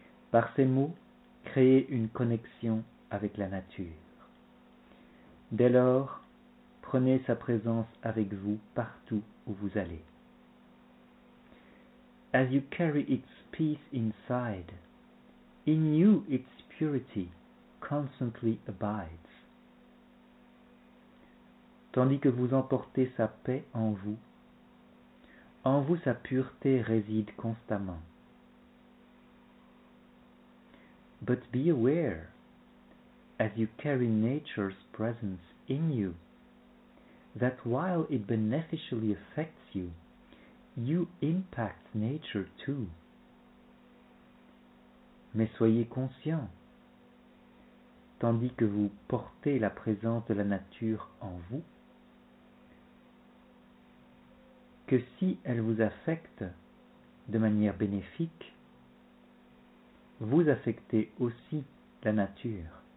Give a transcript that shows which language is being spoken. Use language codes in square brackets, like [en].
[fr] Par ces mots, créez une connexion avec la nature. Dès lors, prenez sa présence avec vous partout où vous allez. [en] As you carry its peace inside, in you its purity constantly abides. [fr] Tandis que vous emportez sa paix en vous sa pureté réside constamment. [en] But be aware, as you carry nature's presence in you, that while it beneficially affects you, you impact nature too. [fr] Mais soyez conscient, tandis que vous portez la présence de la nature en vous, que si elle vous affecte de manière bénéfique, vous affectez aussi la nature.